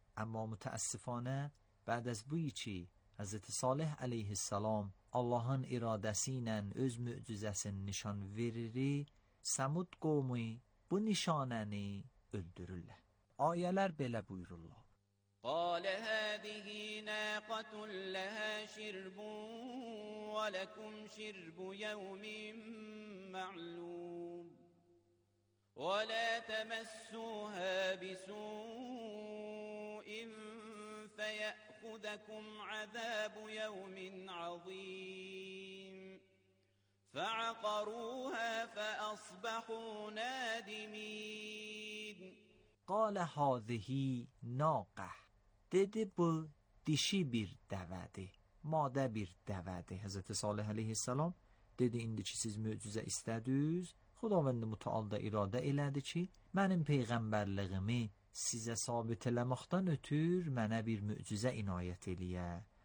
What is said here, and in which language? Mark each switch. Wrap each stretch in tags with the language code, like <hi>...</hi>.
<az>Amma mütəəssifanə, bəd az bu içi, Hazreti Salih əleyhissalam Allahın iradəsi ilə öz möcüzəsini nişan verir, Samud qovmu bu nişanəni öldürürlər. Ayələr belə buyururlar.</az> <ar>Qalə hədihi nəqatun ləhə şirbun və ləkum şirbu yəvmin məlum. ولا تمسوها بسوء فيأخذكم عذاب يوم عظيم فعقروها فأصبحوا نادمين قال هذه ناقة</ar> <az>dedi bu dişi bir dəvədir, madə bir dəvədir. Hazreti Salih aleyhisselam dedi indi ki siz möcüzə istədiniz, Xudavəndi mütəal da iradə elədi ki, mənim peyğəmbərliğimi sizə sabit eləməkdən ötür, mənə bir möcüzə inayət eləyə.</az>